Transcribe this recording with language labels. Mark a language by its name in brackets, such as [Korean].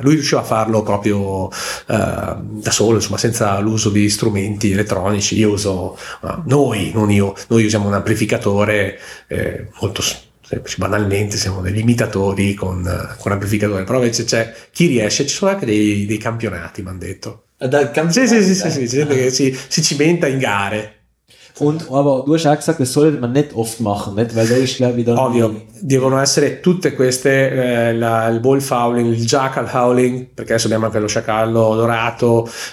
[Italian] Lui riusciva a farlo proprio da solo, insomma, senza l'uso di strumenti elettronici. Io uso, noi usiamo un amplificatore molto semplice, banalmente siamo degli imitatori con amplificatore, però invece c'è chi riesce, ci sono anche dei campionati, mi hanno detto. Si cimenta in gare. [German] Aber du hast auch gesagt, das sollte man nicht oft machen, nicht? Weil da ist klar wieder. [Italian] Ovvio, devono essere tutte queste: il wolf howling, il jackal howling, perché adesso abbiamo anche lo sciacallo dorato.